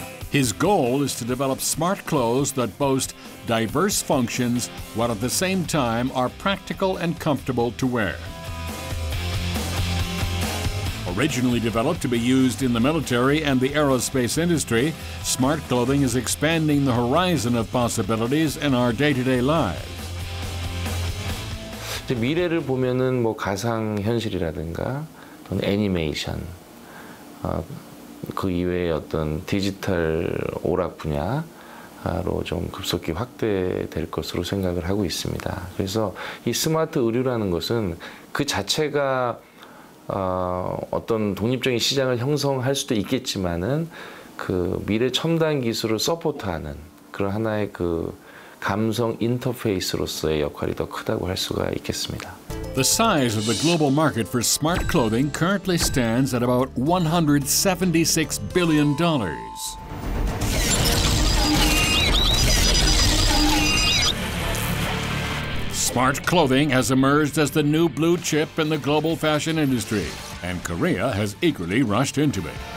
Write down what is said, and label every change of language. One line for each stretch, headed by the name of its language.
English: His goal is to develop smart clothes that boast diverse functions while at the same time are practical and comfortable to wear. Originally developed to be used in the military and the aerospace industry, smart clothing is expanding the horizon of possibilities in our day-to-day lives.
Korean: 이제 미래를 보면은 뭐 가상 현실이라든가 또는 애니메이션 그 이외에 어떤 디지털 오락 분야로 좀 급속히 확대될 것으로 생각을 하고 있습니다. 그래서 이 스마트 의류라는 것은 그 자체가 어떤 독립적인 시장을 형성할 수도 있겠지만은 그 미래 첨단 기술을 서포트하는 그런 하나의 그 감성 인터페이스로서의 역할이 더 크다고 할 수가 있겠습니다.
English: The size of the global market for smart clothing currently stands at about $176 billion. Smart clothing has emerged as the new blue chip in the global fashion industry, and Korea has eagerly rushed into it.